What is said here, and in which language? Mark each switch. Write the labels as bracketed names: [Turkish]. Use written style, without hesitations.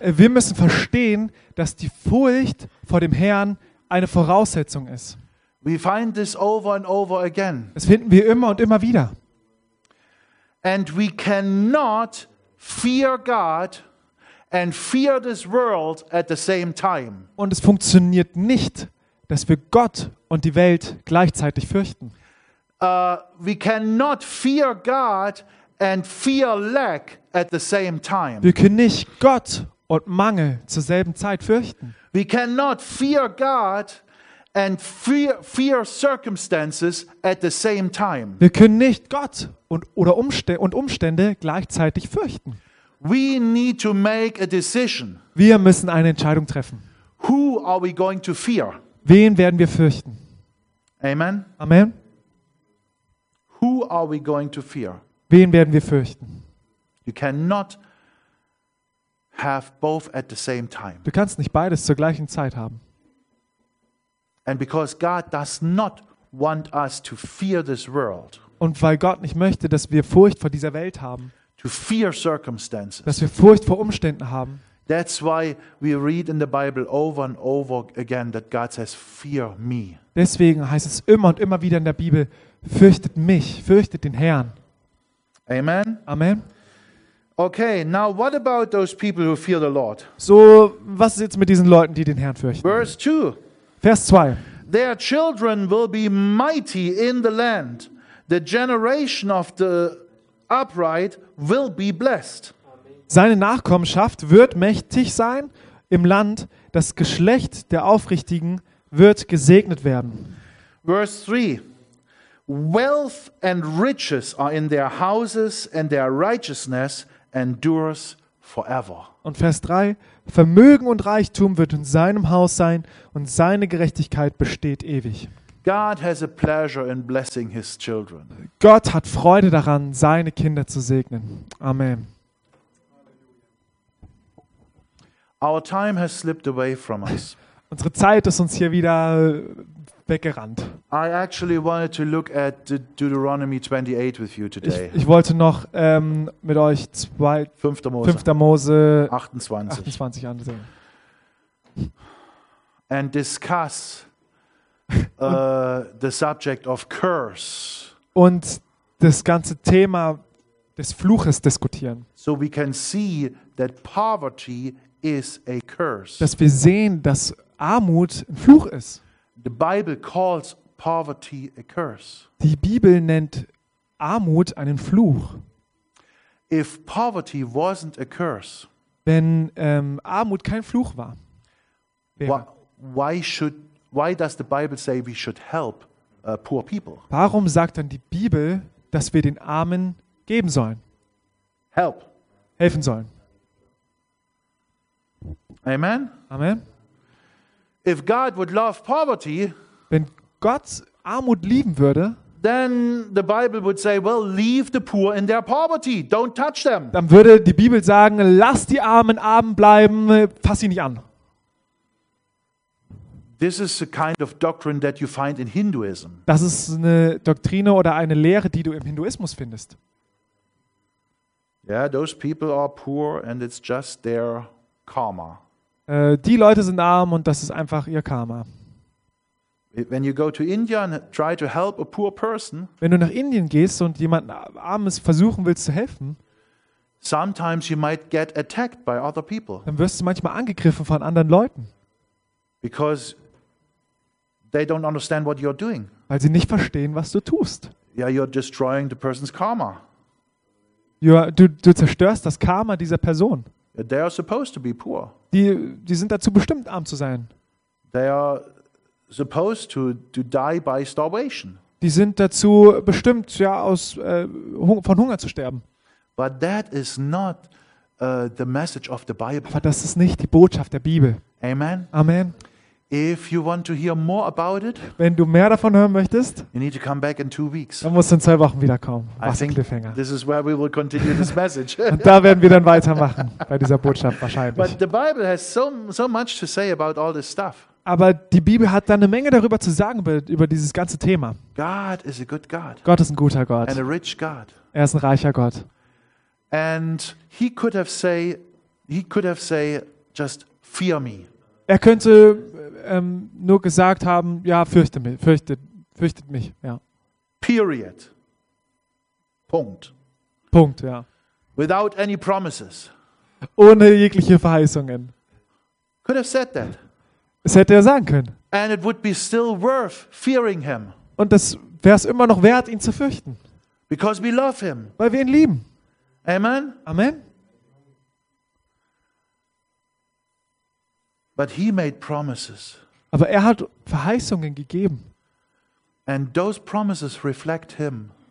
[German] Wir müssen verstehen, dass die Furcht vor dem Herrn eine Voraussetzung ist. [English] We find this over and over again. [German] Das finden wir immer und immer wieder. [English] And we cannot fear God and fear this world at the same time. [German] Und es funktioniert nicht, dass wir Gott und die Welt gleichzeitig fürchten. [English] We cannot fear God and fear lack at the same time. [German] Wir können nicht Gott und Mangel zur selben Zeit fürchten. [English] We cannot fear God and fear circumstances at the same time. [German] Wir können nicht Gott und Umstände gleichzeitig fürchten. [English] We need to make a decision. [German] Wir müssen eine Entscheidung treffen. [English] Who are we going to fear? [German] Wen werden wir fürchten? [English] Amen. [German] Amen. [English] Who are we going to fear? [German] Wen werden wir fürchten? [English] You cannot have both at the same time. [German] Du kannst nicht beides zur gleichen Zeit haben. [English] And because God does not want us to fear this world. [German] Und weil Gott nicht möchte, dass wir Furcht vor dieser Welt haben. [English] To fear circumstances. [German] Dass wir Furcht vor Umständen haben. [English] That's why we read in the Bible over and over again that God says fear me. [German] Deswegen heißt es immer und immer wieder in der Bibel, fürchtet mich, fürchtet den Herrn. [English] Amen. [German] Amen. [English] Okay, now what about those people who fear the Lord? [German] So, was ist jetzt mit diesen Leuten, die den Herrn fürchten? [English] Verse 2. [German] Vers 2. [English] Their children will be mighty in the land. The generation of the upright will be blessed. [German] Seine Nachkommenschaft wird mächtig sein im Land. Das Geschlecht der Aufrichtigen wird gesegnet werden. [English] Verse 3. Wealth and riches are in their houses and their righteousness endures forever. [German] Und Vers 3. Vermögen und Reichtum wird in seinem Haus sein und seine Gerechtigkeit besteht ewig. [English] God has a pleasure in blessing his children. [German] Gott hat Freude daran, seine Kinder zu segnen. [English] Amen. Our time has slipped away from us. [German] Unsere Zeit ist uns hier wieder weggerannt. [English] I actually wanted to look at Deuteronomy 28 with you today. [German] Ich wollte noch mit euch 5. Mose 28 ansehen. [English] And discuss the subject of curse. [German] Und das ganze Thema des Fluches diskutieren. [English] So we can see that poverty is a curse. [German] Dass wir sehen, dass Armut ein Fluch ist. [English] The Bible calls poverty a curse. [German] Die Bibel nennt Armut einen Fluch. [English] If poverty wasn't a curse, [German] wenn Armut kein Fluch war, wäre. [English] Why does the Bible say we should help poor people? [German] Warum sagt dann die Bibel, dass wir den Armen geben sollen? [English] Help. [German] Helfen sollen. [English] Amen. [German] Amen. [English] If God would love poverty, [German] wenn Gott Armut lieben würde, [English] then the Bible would say, well, leave the poor in their poverty, don't touch them. [German] Dann würde die Bibel sagen, lass die Armen arm bleiben, fass sie nicht an. [English] This is a kind of doctrine that you find in Hinduism. [German] Das ist eine Doktrine oder eine Lehre, die du im Hinduismus findest. [English] Yeah, those people are poor and it's just their karma. [German] Die Leute sind arm und das ist einfach ihr Karma. [English] When you go to India and try to help a poor person, [German] wenn du nach Indien gehst und jemanden armes versuchen willst zu helfen, [English] sometimes you might get attacked by other people. [German] Dann wirst du manchmal angegriffen von anderen Leuten. [English] Because they don't understand what you're doing. [German] Weil sie nicht verstehen, was du tust. [English] Yeah, you're destroying the person's karma. [German] Du zerstörst das Karma dieser Person. [English] They are supposed to be poor. [German] Die sind dazu bestimmt, arm zu sein. [English] They are supposed to die by starvation. [German] Die sind dazu bestimmt, ja, von Hunger zu sterben. [English] But that is not the message of the Bible. [German] Aber das ist nicht die Botschaft der Bibel. [English] Amen. [German] Amen. [English] If you want to hear more about it, [German] wenn du mehr davon hören möchtest, [English] you need to come back in 2 weeks. [German] Dann musst du in 2 Wochen wiederkommen. Was ein Cliffhanger. [English] This is where we will continue this message. [German] Und da werden wir dann weitermachen bei dieser Botschaft wahrscheinlich. [English] But the Bible has so much to say about all this stuff. [German] Aber die Bibel hat da eine Menge darüber zu sagen über dieses ganze Thema. [English] God is a good God. [German] Gott ist ein guter Gott. [English] And a rich God. [German] Er ist ein reicher Gott. [English] And he could have said just fear me. [German] Er könnte nur gesagt haben, ja, fürchtet mich, ja. [English] Period. [German] Punkt. Punkt, ja. [English] Without any promises. [German] Ohne jegliche Verheißungen. [English] Could have said that. [German] Es hätte er sagen können. [English] And it would be still worth fearing him. [German] Und das wäre es immer noch wert, ihn zu fürchten. [English] Because we love him. [German] Weil wir ihn lieben. [English] Amen. [German] Amen. [English] But he made promises. [German] Aber er hat Verheißungen gegeben. [English] And those promises reflect him.